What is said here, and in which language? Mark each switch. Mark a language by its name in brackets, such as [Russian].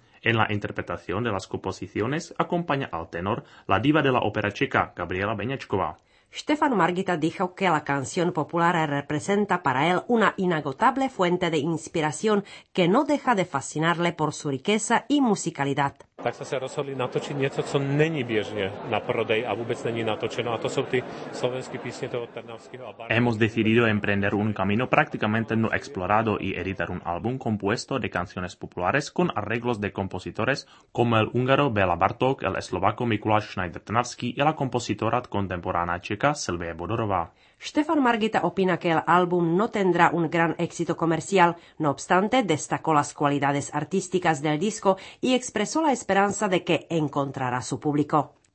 [Spanish] En la interpretación de las composiciones acompaña al tenor la diva de la ópera checa, Gabriela Beňačková. Stefan Margita dijo que la canción popular representa para él una inagotable fuente de inspiración que no deja de fascinarle por su riqueza y musicalidad. [Czech] Tak jsme se rozhodli natočit něco, co není běžně na prodej a vůbec není natočeno, a to jsou ty slovenské písně toho Trnavského a Barvy. [Spanish] Hemos decidido emprender un camino prácticamente no explorado y editar un álbum compuesto de canciones populares con arreglos de compositores como el húngaro Béla Bartók, el eslovaco Mikuláš Schneider Trnavský y la compositora contemporánea Čeka Silvie Bodorová. Stefan Margita opina que el álbum no tendrá un gran éxito comercial, no obstante destacó las cualidades artísticas del disco y expresó la esperanza de que encontrará su público.